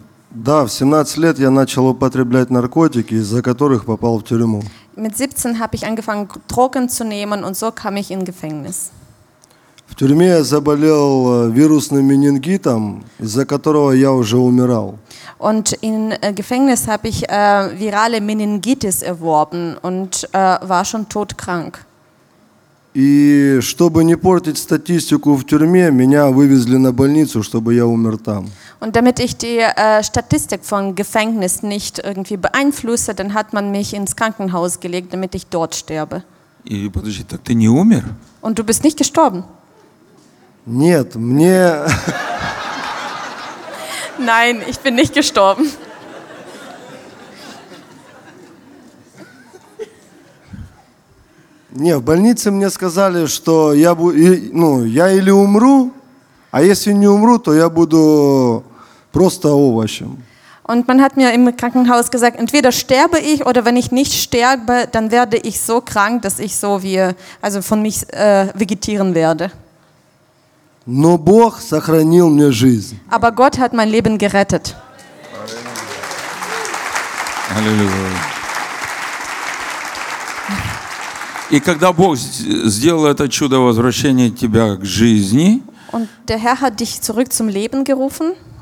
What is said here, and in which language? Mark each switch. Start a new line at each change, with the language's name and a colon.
Russian: Да, в 17 лет я начал употреблять наркотики, из-за которых попал в тюрьму.
German: Mit 17 habe ich angefangen, Drogen zu nehmen und so kam ich in Gefängnis.
Russian: В тюрьме я заболел вирусным менингитом, из-за которого я уже умирал.
German: Und in Gefängnis habe ich virale Meningitis erworben und war schon todkrank.
Russian: И чтобы не портить статистику в тюрьме, меня вывезли на больницу, чтобы я умер там.
German: Und damit ich die Statistik von Gefängnis nicht irgendwie beeinflusse, dann hat man mich ins Krankenhaus gelegt, damit ich dort sterbe.
Russian: И подожди, так ты не умер?
German: Und du bist nicht gestorben?
Russian: Нет, мне...
German: Nein, ich bin nicht gestorben.
Russian: Не, в больнице мне сказали, что я я или умру, а если не умру, то я буду просто овощем.
German: Und man hat mir im Krankenhaus gesagt, entweder sterbe ich oder wenn ich nicht sterbe, dann werde ich so krank, dass ich so wie also von mich vegetieren werde.
Russian: Но Бог сохранил мне жизнь.
German: Aber Gott hat mein Leben gerettet. Halleluja.
Russian: И когда Бог сделал это чудо возвращения тебя к жизни,
German: Und der Herr hat dich zurück zum Leben gerufen.